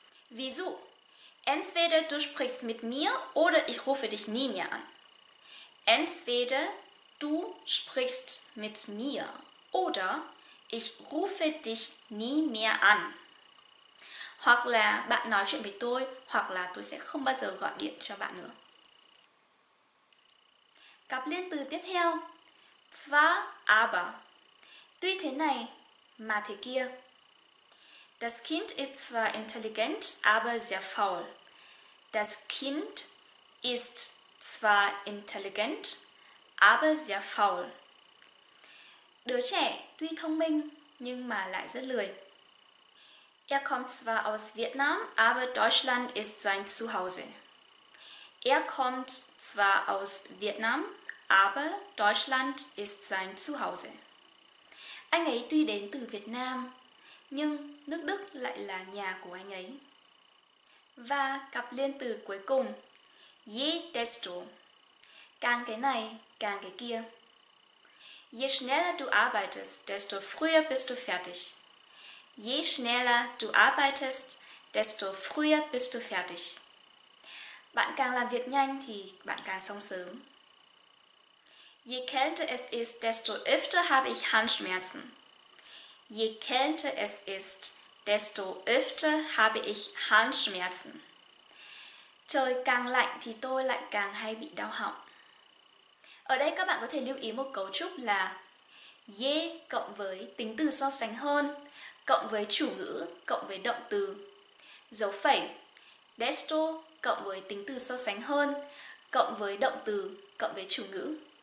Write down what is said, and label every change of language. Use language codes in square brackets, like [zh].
[vi] Ví dụ, [de] entweder du sprichst mit mir oder ich rufe dich nie mehr an. Entweder du sprichst mit mir oder ich rufe dich nie mehr an. [vi] Hoặc là bạn nói chuyện với tôi hoặc là tôi sẽ không bao giờ gọi điện cho bạn nữa. Cặp liên từ tiếp theo, zwar aber, tuy thế này mà thế kia. [de] Das Kind ist zwar intelligent, aber sehr faul. Das Kind ist zwar intelligent, aber sehr faul. [vi] Đứa trẻ tuy thông minh nhưng mà lại rất lười. [de] Er kommt zwar aus Vietnam, aber Deutschland ist sein Zuhause. Er kommt zwar aus Vietnam, aber Deutschland ist sein Zuhause. [vi] Anh ấy tuy đến từ Việt Nam nhưng nước Đức lại là nhà của anh ấy. Và cặp liên từ cuối cùng, je desto, càng cái này, càng cái kia. [de] Je schneller du arbeitest, desto früher bist du fertig. Je schneller du arbeitest, desto früher bist du fertig. [vi] Bạn càng làm việc nhanh thì bạn càng xong sớm. [de] Je kälter es ist, desto öfter habe ich Handschmerzen. Je kälter es ist, desto öfter habe ich Handschmerzen. [vi] Trời càng lạnh thì tôi lại càng hay bị đau họng. Ở đây các bạn có thể lưu ý một cấu trúc là je cộng với tính từ so sánh hơn, cộng với chủ ngữ, cộng với động từ, dấu phẩy, desto cộng với tính từ so sánh hơn, cộng với động từ, cộng với chủ ngữ.